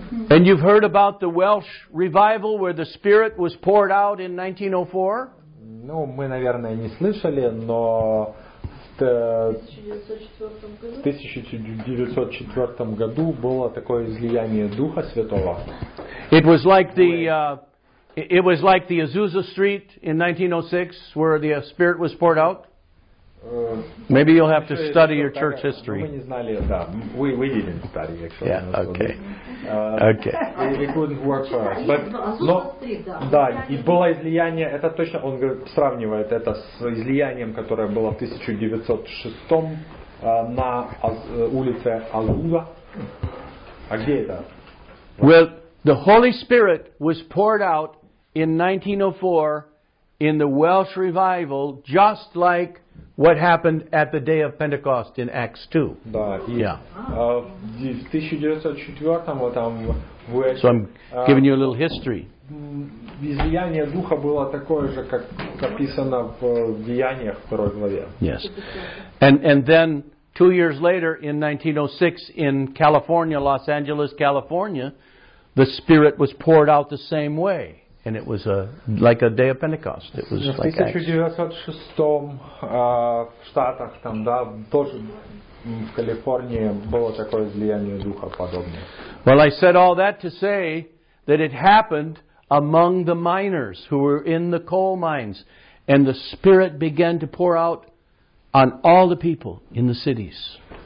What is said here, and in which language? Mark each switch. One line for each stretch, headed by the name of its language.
English: And you've heard about the Welsh revival where the spirit was poured out in 1904?
Russian: Ну, мы, наверное, не слышали, но в 1904 году было такое излияние Духа Святого.
English: It was like the Azusa Street in 1906 where the spirit was poured out. Maybe you'll have to study your church history.
Russian: Мы не знали, да.
English: We didn't study actually. Yeah, okay. Okay. It couldn't work for us. But no.
Russian: Да, и было излияние. Это точно. Он сравнивает это с излиянием, которое было в 1906 на улице Азуза. А где это?
English: Well, the Holy Spirit was poured out in 1904 in the Welsh revival, just like what happened at the day of Pentecost in Acts 2.
Russian: Да, и,
English: yeah.
Russian: В 1904-м вот там в Уэльсе.
English: So I'm giving you a little history.
Russian: Излияние духа было такое же, как описано в Деяниях, второй главе.
English: Yes. And then 2 years later in 1906 in California, Los Angeles, California, the Spirit was poured out the same way. And it was like a day of Pentecost. It was like Acts.
Russian: В 1906 в Штатах, там, да, тоже в Калифорнии было такое излияние духа подобное.
English: Well, I said all that to say that it happened among the miners who were in the coal mines, and the Spirit began to pour out on all the people in the cities.